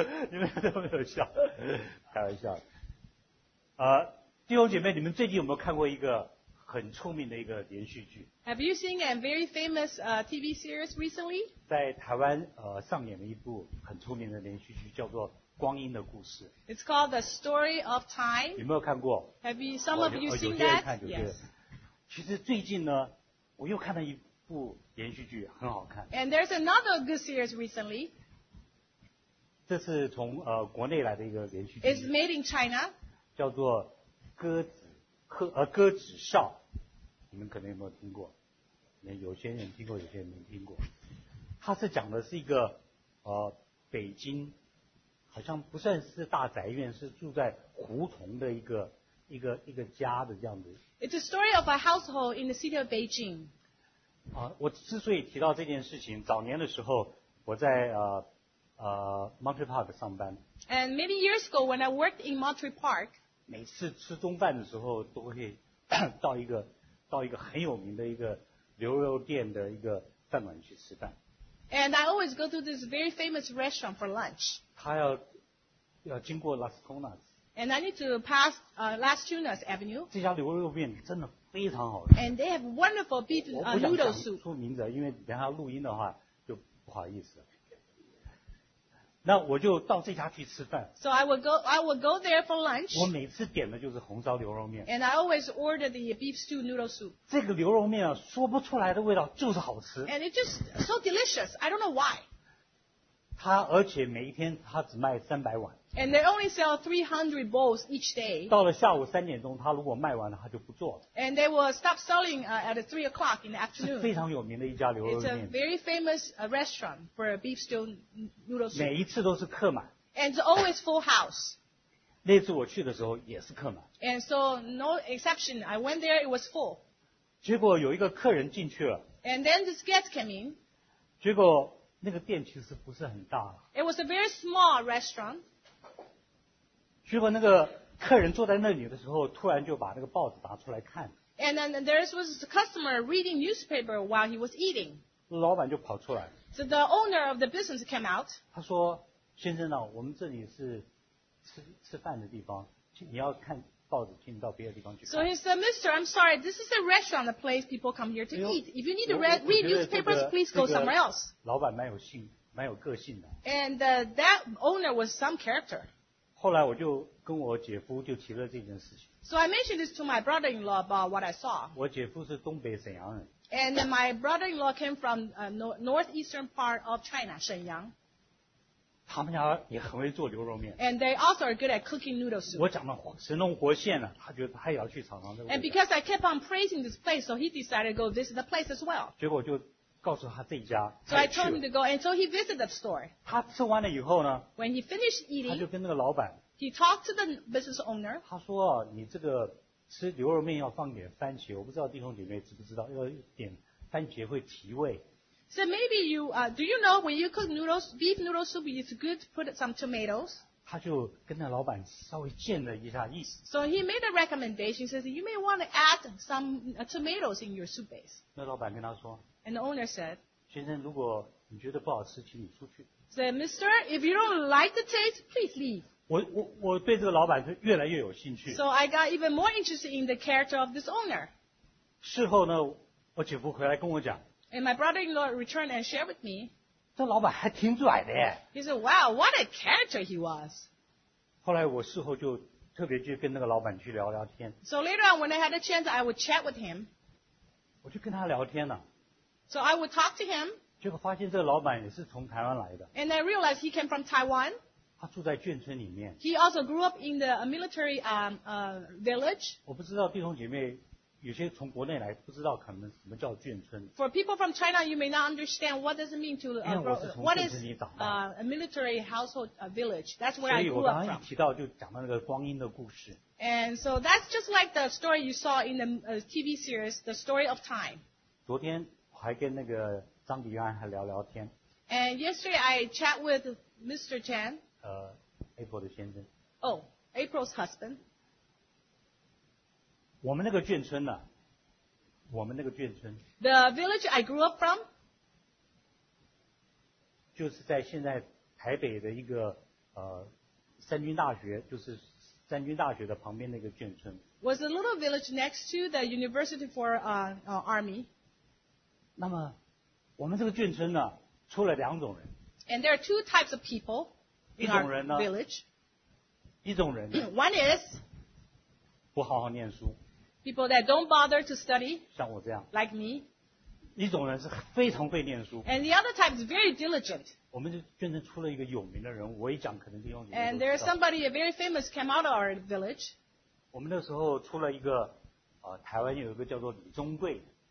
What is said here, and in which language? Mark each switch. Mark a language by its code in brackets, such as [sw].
[zh] 你们都没有笑， 开玩笑。弟兄姐妹， 你们最近有没有看过一个很出名的一个连续剧？ [en] Have you seen a very famous TV series recently? [zh] 在台湾， 上演了一部很出名的连续剧， 叫做 光阴的故事。 [en] It's called The Story of Time. [zh] 有没有看过？ [en] Have you, some of you seen that? Yes. [zh] 其实最近呢, 我又看了一部连续剧, 很好看。 [en] And there's another good series recently. [zh] 这是从, 国内来的一个连续剧。 [en] It's made in China. [zh] 叫做鸽子少。你们可能有没有听过？有些人听过, 有些人没听过。它是讲的是一个, 北京, 好像不算是大宅院, 是住在胡同的一个家的这样子。 [en] It's a story of a household in the city of Beijing. [zh] 我之所以提到这件事情, 早年的时候, 我在, Monterey Park上班。 [en] And many years ago, when I worked in Monterey Park, [zh] 每次吃中饭的时候, 都会 到一个很有名的一个牛肉店的一个饭馆去吃饭。 [en] And I always go to this very famous restaurant for lunch. [zh] 要经过 Las Tunas. [en] And I need to pass Las Tunas Avenue. [zh] 这家牛肉面真的非常好吃。 [en] And they have wonderful beef noodle soup. [zh] 我不想讲出名字, 因为等下录音的话就不好意思。那我就到这家去吃饭。 [en] So I will go there for lunch. [zh] 我每次点的就是红烧牛肉面。 [en] And I always order the beef stew noodle soup. [zh] 这个牛肉面啊, 说不出来的味道就是好吃。 [en] And it's just so delicious. I don't know why. [zh] 他而且每一天他只卖300碗。 [en] And they only sell 300 bowls each day. [zh] 到了下午3点钟, 他如果卖完了, 他就不做了。 [en] And they will stop selling at 3 o'clock in the afternoon. [zh] 是非常有名的一家牛肉面。 [en] It's a very famous restaurant for a beef stew noodle soup. [zh] 每一次都是客满。 [en] And it's always full house. [zh] 那次我去的时候也是客满。 [en] And so no exception, I went there, it was full. [zh] 结果有一个客人进去了。 [en] And then this guest came in. [zh] 结果那个店其实不是很大。 [en] It was a very small restaurant. [zh] 结果那个客人坐在那里的时候，突然就把那个报纸拿出来看。 [en] And then there was a customer reading newspaper while he was eating. [zh] 老板就跑出来。 [en] So the owner of the business came out. [zh] 他说：“先生啊，我们这里是吃饭的地方，你要看报纸，请你到别的地方去看。” [en] So he said, "Mister, I'm sorry. This is a restaurant, the place people come here to eat. If you need to read newspapers, please go somewhere else." [zh] 老板蛮有个性的。 [en] And that owner was some character. [zh] 后来我就跟我姐夫就提了这件事情。 [en] So I mentioned this to my brother-in-law about what I saw. [zh] 我姐夫是东北沈阳人。 [en] And my brother-in-law came from northeastern part of China, 沈阳。 [zh] 他们家也很会做牛肉面。 [en] And they also are good at cooking noodle soup. [zh] 我讲了神龙活现了, 他觉得他也要去尝尝这个。 [en] And because I kept on praising this place, so he decided to go visit the place as well. [zh] 结果就告诉他这一家, [en] so I told him to go, and so he visited the store. [zh] 他吃完了以后呢, [en] when he finished eating, [zh] 他就跟那个老板, [en] he talked to the business owner. [zh] 他说啊, 你这个吃牛肉面要放点番茄, 我不知道弟兄姐妹知不知道, 要点番茄会提味。 [en] So maybe you, do you know when you cook noodles, beef noodle soup, it's good to put some tomatoes? [zh] 他就跟那老板稍微建了一下意思。 [en] So he made a recommendation, says you may want to add some tomatoes in your soup base. [zh] 那老板跟他说。 [en] And the owner said, [zh] 先生，如果你觉得不好吃，请你出去。 [en] Said, Mister, if you don't like the taste, please leave. [zh] 我对这个老板就越来越有兴趣。 [en] So I got even more interested in the character of this owner. [zh] 事后呢，我姐夫回来跟我讲。 [en] And my brother-in-law returned and shared with me. [zh] 这老板还挺拽的耶。 [en] He said, wow, what a character he was. [zh] 后来我事后就特别去跟那个老板去聊聊天。 [en] So later on, when I had a chance, I would chat with him. [zh] 我就跟他聊天了。 [en] So I would talk to him. [zh] 结果发现这个老板也是从台湾来的。 [en] And I realized he came from Taiwan. [zh] 他住在眷村里面。 [en] He also grew up in the military village. [zh] 我不知道弟兄姐妹有些从国内来不知道可能什么叫眷村。 [en] For people from China, you may not understand what does it mean to what is a military household village. That's where I grew up from. [zh] 所以我刚刚一提到就讲到那个光阴的故事。 [en] And so that's just like the story you saw in the TV series, The Story of Time. [zh] 昨天我还跟那个张迪安还聊聊天。 [en] And yesterday I chat with Mr. Chan. [zh] April 的先生。 [en] Oh, April's husband. [zh] 我们那个眷村呢、啊、我们那个眷村 [en] The village I grew up from [zh] 就是在现在台北的一个三军大学就是三军大学的旁边那个眷村 [en] Was a little village next to the university for army [zh] 那么我们这个眷村呢出了两种人 [en] And there are two types of people in our village [zh] 一种人呢 [en] One is [zh] 不好好念书 [en] People that don't bother to study, [zh] 像我这样 [en] like me. [zh] 一种人是非常会念书 [en] And the other type is very diligent. [zh] 我们眷村出了一个有名的人我一讲可能弟兄姐妹 [en] And there is somebody very famous came out of our village. [zh] 我们那时候出了一个台湾有一个叫做李宗贵